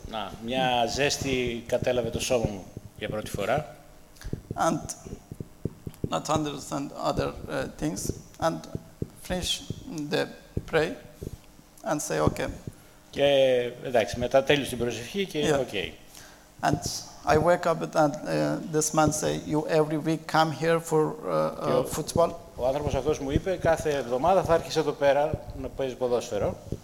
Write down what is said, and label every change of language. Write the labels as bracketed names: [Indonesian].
[Greek] Να, μια ζέστη κατέλαβε το σώμα μου για πρώτη φορά. [English] And not understand other things and finish the prayer and say okay. [Greek] Και εντάξει, μετά τέλειωσε την προσευχή και yeah. [English] Okay. And I wake up and this man say you every week come here for football. [Greek] Ο άνθρωπος αυτός μου είπε κάθε εβδομάδα θα έρχεσαι εδώ πέρα να παίζεις ποδόσφαιρο.